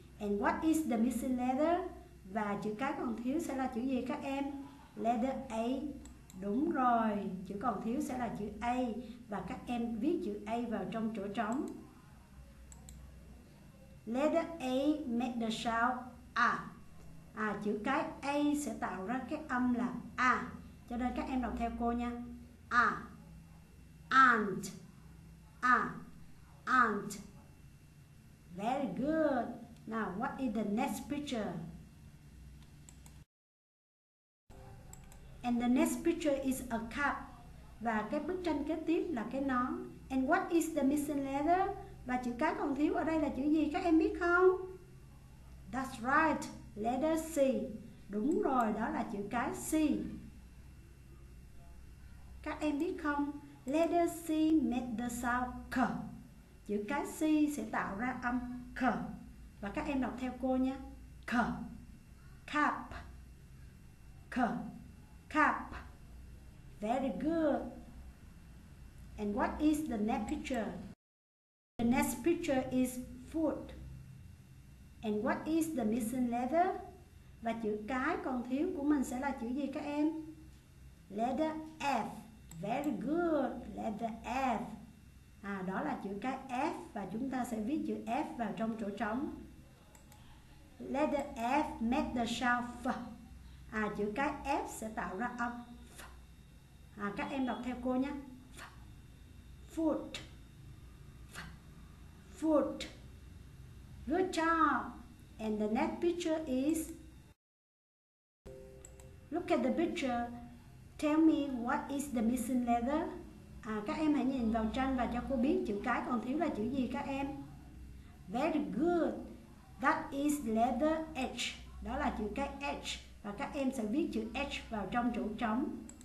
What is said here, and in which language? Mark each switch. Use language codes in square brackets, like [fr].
[en] And what is the missing letter? [vi] Và chữ cái còn thiếu sẽ là chữ gì các em? [en] Letter A. [vi] Đúng rồi. Chữ còn thiếu sẽ là chữ A. Và các em viết chữ A vào trong chỗ trống. [en] Letter A make the sound A. [vi] À, chữ cái A sẽ tạo ra cái âm là A. Cho nên các em đọc theo cô nha. [en] A. Ant. A. Ant. Very good. Now, what is the next picture? And the next picture is a cup. [vi] Và cái bức tranh kế tiếp là cái nón. [en] And what is the missing letter? [vi] Và chữ cái còn thiếu ở đây là chữ gì các em biết không? [en] That's right. Letter C. [vi] Đúng rồi, đó là chữ cái C. Các em biết không? [en] Letter C made the sound K. [vi] Chữ cái C sẽ tạo ra âm K. Và các em đọc theo cô nha. K. Cup. K. Cup. [en] Very good. And what is the next picture? The next picture is foot. And what is the missing letter? [vi] Và chữ cái còn thiếu của mình sẽ là chữ gì các em? [en] Letter F. Very good. Letter F. [vi] À, đó là chữ cái F và chúng ta sẽ viết chữ F vào trong chỗ trống. [en] Letter F make the sound F. [vi] À, chữ cái F sẽ tạo ra âm F. À, các em đọc theo cô nhé. F. Foot. F. Foot. [en] Good job. And the next picture is. Look at the picture. Tell me what is the missing letter. [vi] À, các em hãy nhìn vào tranh và cho cô biết chữ cái còn thiếu là chữ gì các em. [en] Very good. That is letter H. [vi] Đó là chữ cái H. Và các em sẽ viết chữ H vào trong chỗ trống.